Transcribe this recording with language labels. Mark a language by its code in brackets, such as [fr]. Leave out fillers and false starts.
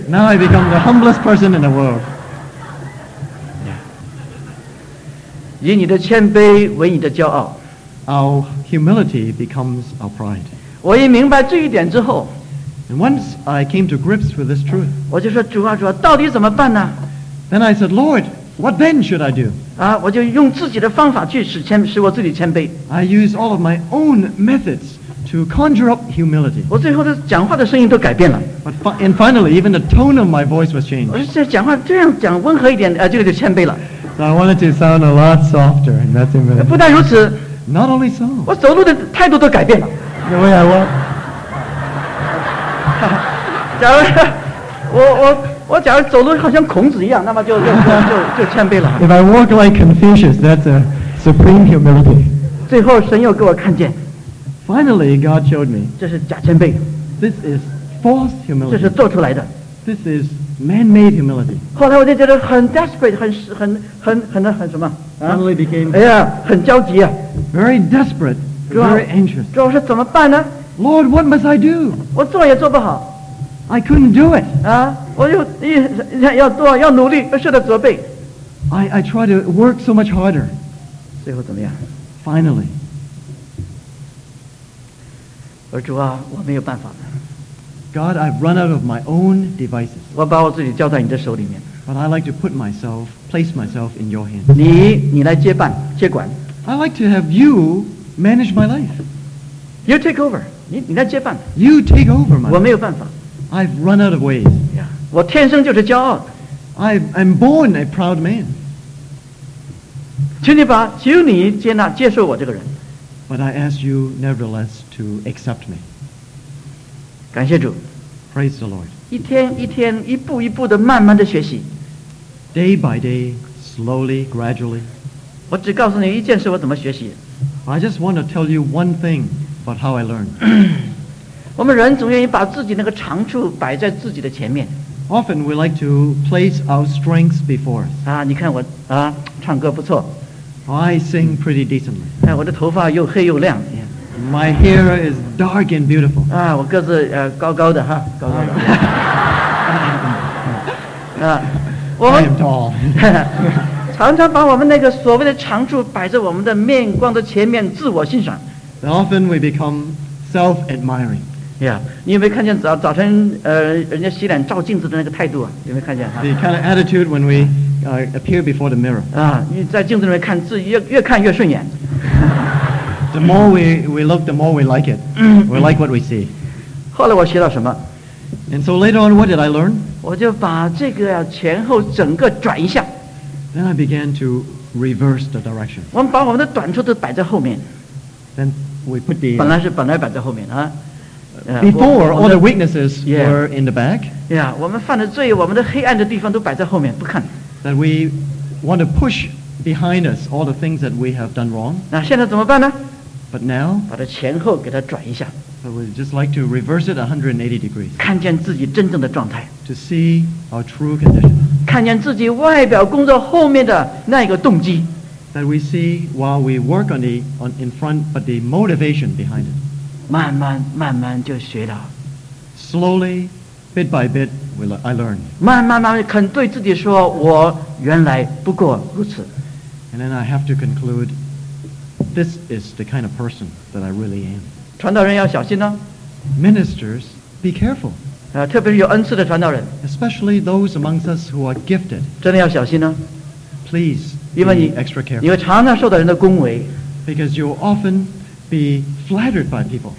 [en] Now I become the humblest person in the world. [zh] 以你的谦卑为你的骄傲。 [en] Our humility becomes our pride. [zh] 我一明白这一点之后。 [en] And once I came to grips with this truth. [zh] 我就说主啊主啊到底怎么办呢？ [en] Then I said, Lord, what then should I do? [zh] 啊，我就用自己的方法去使我自己谦卑。 [en] I use all of my own methods to conjure up humility. [zh] 我最后的讲话的声音都改变了。 [en] And finally, even the tone of my voice was changed. [zh] 我说讲话这样讲温和一点，这个就谦卑了。 [en] So I wanted to sound a lot softer, and that's humility. [zh] 不但如此。 [en] Not only so. [zh] 我走路的态度都改变了。 [en] The way I walk. [zh] 假如我假如走路好像孔子一样，那么就谦卑了。 [en] If I walk like Confucius, that's a supreme humility. [zh] 最后神又给我看见。 [en] Finally, God showed me. [zh] 这是假谦卑。 [en] This is false humility. [zh] 这是做出来的。 [en] This is man-made humility. [zh] 后来我就觉得很 desperate, 很什么？ [en] Finally became. [zh] 哎呀，很焦急啊。 [en] Very desperate, very anxious. [zh] 主要是怎么办呢？ [en] Lord, what must I do? [zh] 我做也做不好。 [en] I couldn't do it. [zh] 啊，我就要做，要努力，不懈的责备。 [en] I try to work so much harder. [zh] 最后怎么样？ [en] Finally. [zh] 而主啊，我没有办法了。 [en] God, I've run out of my own devices. [zh] 我把我自己交在你的手里面。 [en] But I like to put myself, place myself in your hands. [zh] 你来接办接管。 [en] I like to have you manage my life. You take over. [zh] 你来接办。 [en] You take over my. [zh] 我没有办法。 [en] I've run out of ways. [zh] Yeah. 我天生就是骄傲。 [en] I'm born a proud man. [zh] 请你接纳接受我这个人。 [en] But I ask you nevertheless to accept me. [zh] 感谢主。 [en] Praise the Lord. [zh] 一天一天，一步一步的，慢慢的学习。 [en] Day by day, slowly, gradually. [zh] 我只告诉你一件事，我怎么学习。 [en] I just want to tell you one thing about how I learn. [zh] 我们人总愿意把自己那个长处摆在自己的前面。 [en] Often we like to place our strengths before us. [zh] 啊，你看我啊，唱歌不错。 [en] I sing pretty decently. [zh] 哎，我的头发又黑又亮。 [en] My hair is dark and beautiful. [zh] 啊，我个子高高的哈，高高的。啊，我们 [en] I am tall. [zh] 常常把我们那个所谓的长处摆在我们的面光的前面，自我欣赏。 [en] Often we become self-admiring. [zh] Yeah, 你有没有看见早晨人家洗脸照镜子的那个态度啊？有没有看见？ [en] The kind of attitude when we appear before the mirror. [zh] 啊，你在镜子里面看自己，越看越顺眼。 [en] The more we look, the more we like it. We like what we see. [zh] 后来我学到什么？ [en] And so later on, what did I learn? [zh] 我就把这个前后整个转一下。 [en] Then I began to reverse the direction. [zh] 我们把我们的短处都摆在后面。 [en] Then we put the [zh] 本来摆在后面啊。 [en] Before, all the weaknesses were in the back. [zh] Yeah, 我们犯的罪，我们的黑暗的地方都摆在后面，不看。 [en] That we want to push behind us all the things that we have done wrong. [zh] 那现在怎么办呢？ [en] But now, [zh] 把它前后给它转一下。 [en] So we just like to reverse it 180 degrees. [zh] 看见自己真正的状态。 [en] To see our true condition. [zh] 看见自己外表工作后面的那个动机。 [en] That we see while we work on in front, but the motivation behind it. [zh] 慢慢慢慢就学了。 [en] Slowly, bit by bit. I learned. [zh] 慢慢慢慢肯对自己说，我原来不过如此。 [en] And then I have to conclude, this is the kind of person that I really am. [zh] 传道人要小心呢。 [en] Ministers, be careful. [zh] 特别是有恩赐的传道人。 [en] Especially those amongst us who are gifted. [zh] 真的要小心呢。 [en] Please, [zh] 因为你 [en] be extra careful. [zh] 你会常常受到人的恭维。 [en] Because you will often be flattered by people.